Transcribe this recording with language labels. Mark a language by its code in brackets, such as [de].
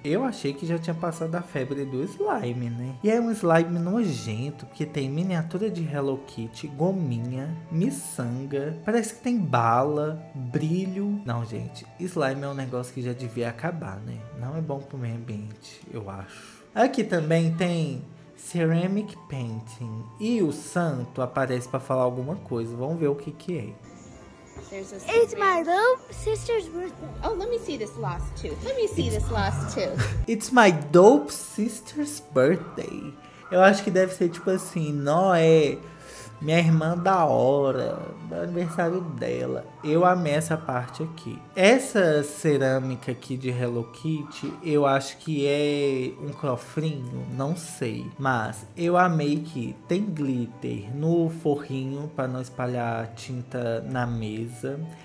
[pt] Eu achei que já tinha passado a febre do slime, né? E é um slime nojento, porque tem miniatura de Hello Kitty, gominha, miçanga. Parece que tem bala, brilho. Não, gente, slime é um negócio que já devia acabar, né? Não é bom pro meio ambiente, eu acho. Aqui também tem ceramic painting. E o santo aparece pra falar alguma coisa. Vamos ver o que que é. [en] It's my dope sister's birthday. Oh, let me see this last tooth. Let me see this last tooth. It's my dope sister's birthday. [pt] Eu acho que deve ser tipo assim, Noé, minha irmã da hora, do aniversário dela. Eu amei essa parte aqui. Essa cerâmica aqui de Hello Kitty, eu acho que é um cofrinho, não sei. Mas eu amei que tem glitter no forrinho pra não espalhar tinta na mesa.